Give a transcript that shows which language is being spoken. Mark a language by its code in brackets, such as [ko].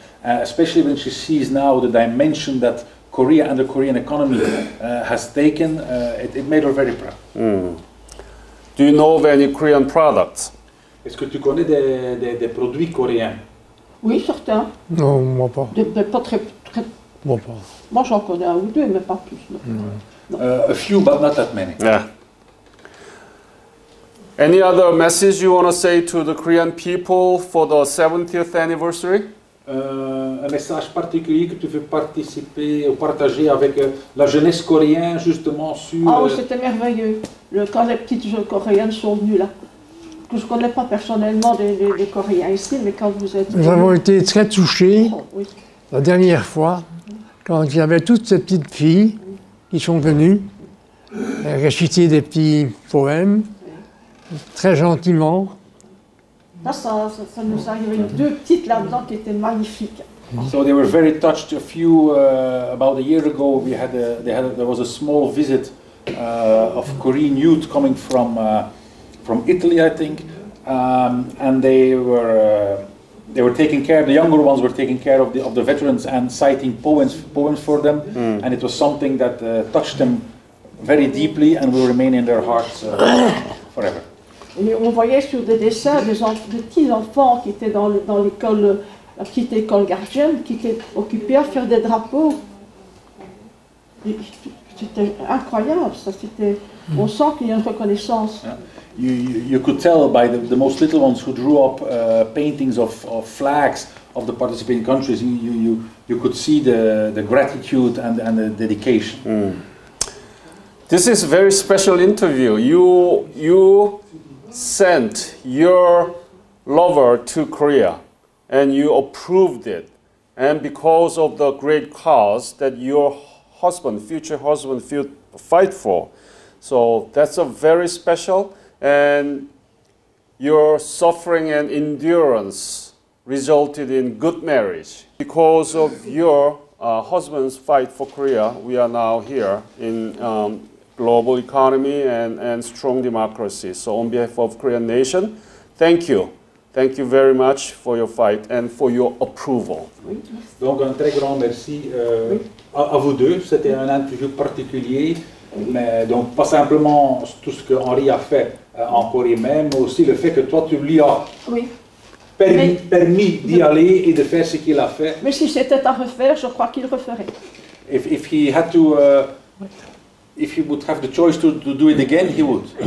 [en] Especially when she sees now the dimension that Korea and the Korean economy has taken, it made her very proud. Mm. Do you know of any Korean products? [fr] Est-ce que tu connais des produits coréens? Oui, certains. Non, moi pas. Mais pas très. Moi pas. Moi j'en connais un ou deux, mais pas plus. Non. [en] A few, but not that many. Yeah. Any other message you want to say to the Korean people for the 70th anniversary? [fr] Un message particulier que tu veux participer ou partager avec la jeunesse coréenne justement sur... Oh, c'était merveilleux. Quand les petites jeunes coréennes sont venues là. Que je ne connais pas personnellement des Coréens ici, mais quand vous êtes... Nous avons été très touchés la dernière fois quand il y avait toutes ces petites filles qui sont venues réciter des petits poèmes. Très gentiment. Ça nous a arrivé deux petites là-dedans qui étaient magnifiques. [en] So they were very touched. A few about a year ago, we had there was a small visit of Korean youth coming from Italy, I think, and they were taking care. The younger ones were taking care of the veterans and citing poems for them, and it was something that touched them very deeply and will remain in their hearts forever. [fr] Et on voyait sur des dessins des petits enfants qui étaient dans l'école, la petite école gardienne, qui étaient occupés à faire des drapeaux. Et c'était incroyable, ça. C'était, on sent qu'il y a une reconnaissance. [en] Yeah. You could tell by the most little ones who drew up paintings of flags of the participating countries. You could see the gratitude and the dedication. Mm. This is a very special interview. You sent your lover to Korea and you approved it, and because of the great cause that your husband, future husband, fight for, so that's a very special, and your suffering and endurance resulted in good marriage. Because of your husband's fight for Korea, we are now here in global economy and strong democracy. So on behalf of Korean nation, thank you. Thank you very much for your fight and for your approval. [fr] Oui. Donc un très grand merci à vous deux. C'était un interview particulier, mais donc pas simplement tout ce que Henri a fait en Corée même, mais aussi le fait que toi tu lui as permis d'y aller et de faire ce qu'il a fait. Mais si c'était à refaire, je crois qu'il referait. [en] If he had to if he would have the choice to do it again, he would.